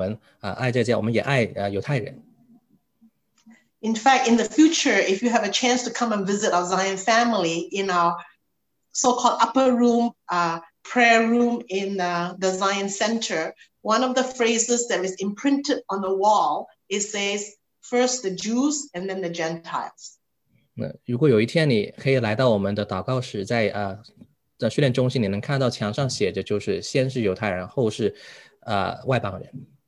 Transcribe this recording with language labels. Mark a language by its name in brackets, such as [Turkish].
[Chinese] 所以向着阿舍爸爸还有Sarah姐妹，我们要在灵里面做一个宣告，我们爱这家，我们也爱犹太人。 [English] In fact, in the future, if you have a chance to come and visit our Zion family in our so-called upper room, prayer room in the Zion Center, one of the phrases that is imprinted on the wall, it says, first the Jews and then the Gentiles. [Chinese] 如果有一天你可以来到我们的祷告室，在训练中心, 你能看到墙上写着就是先是犹太人，后是外邦人。